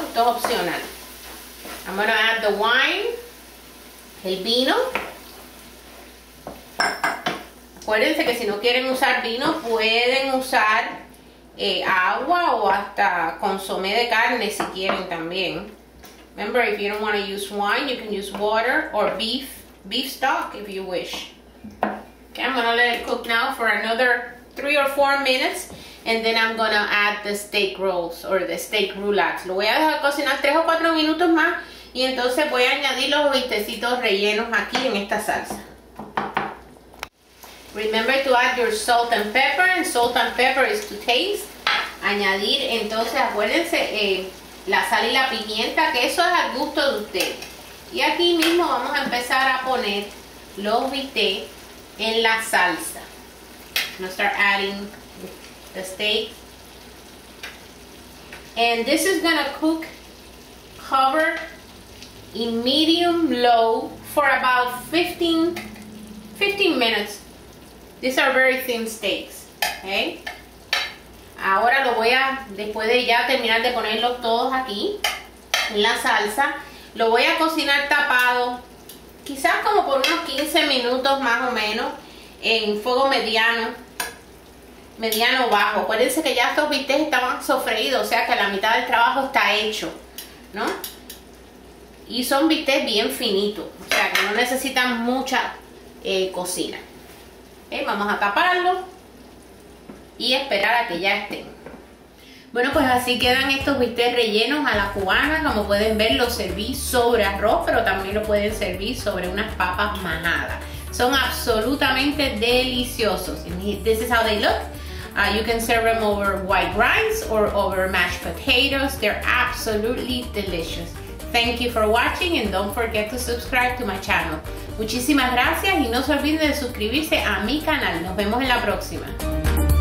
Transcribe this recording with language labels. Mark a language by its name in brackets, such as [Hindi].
[Spanish] Esto es opcional. [English] I'm going to add the wine, el vino. [Spanish] Acuérdense que si no quieren usar vino, pueden usar agua o hasta consomé de carne si quieren también. [English] Remember, if you don't want to use wine, you can use water or beef stock if you wish. Okay, I'm going to let it cook now for another 3 or 4 minutes, and then I'm going to add the steak rolls or the steak roulades. [Spanish] Lo voy a dejar cocinar 3 o 4 minutos más y entonces voy a añadir los bistecitos rellenos aquí en esta salsa. [English] Remember to add your salt and pepper, and salt and pepper is to taste. [Spanish] Añadir entonces, acuérdense, la sal y la pimienta, que eso es al gusto de usted. Y aquí mismo vamos a empezar a poner los bistecs en la salsa. [English] I'm gonna start adding the steak. And this is gonna cook, cover in medium low for about 15 minutes. These are very thin steaks, okay? [Spanish] Ahora lo voy a, después de ya terminar de ponerlos todos aquí en la salsa, lo voy a cocinar tapado, quizás como por unos 15 minutos más o menos, en fuego mediano, mediano bajo. Acuérdense que ya estos bistecs estaban sofreídos, o sea que la mitad del trabajo está hecho, ¿no? Y son bistecs bien finitos, o sea que no necesitan mucha cocina. Okay, vamos a taparlo y esperar a que ya estén. Bueno, pues así quedan estos bistecs rellenos a la cubana. Como pueden ver, los serví sobre arroz, pero también lo pueden servir sobre unas papas majadas. Son absolutamente deliciosos. [English] This is how they look. You can serve them over white rice or over mashed potatoes. They're absolutely delicious. Thank you for watching and don't forget to subscribe to my channel. [Spanish] Muchísimas gracias y no se olviden de suscribirse a mi canal. Nos vemos en la próxima.